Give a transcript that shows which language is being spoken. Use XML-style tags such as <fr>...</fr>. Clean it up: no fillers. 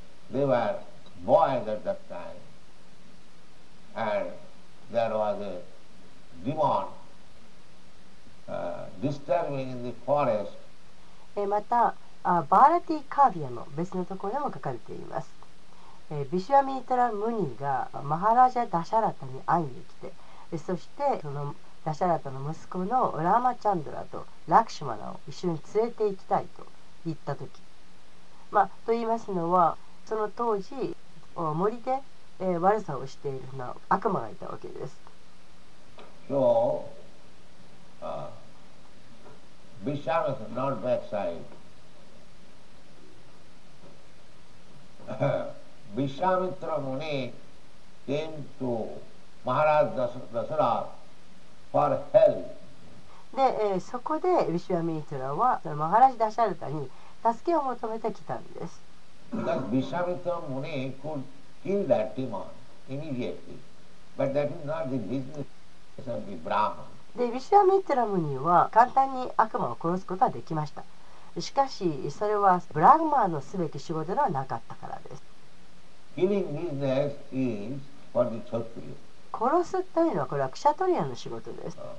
<en>They were boys at that time, and there was a demon disturbing in the forest.</en> <ja>また、バーラティカーヴィアの別のところでも書かれています。ビシュワミトラムニがマハラジャダシャラタに会いに来て、そしてそのダシャラタの息子のラーマチャンドラとラクシュマナを一緒に連れて行きたいと言った時、まあ、と言いますのはその当時森で、悪さをしているの悪魔がいたわけです。</ja> <en>So Vishwamitra is not that side. Vishwamitra Muni came to Maharaj Dasarath</en> <ja>で、そこでヴィシュヴァミトラはそのマハラジ・ダシャルタに助けを求めてきたんです。</ja> <en>ヴィシュヴァミトラムニ could kill that demon immediately, but that is not the business of the Brahman.</en> <ja>でヴィシュヴァミトラムニは簡単に悪魔を殺すことはできました。しかしそれはブラグマーのすべき仕事ではなかったからです。</ja> <en>Killing business is for the Kshatriya.</en> <ja>殺すというのはこれはクシャトリアの仕事です。</ja>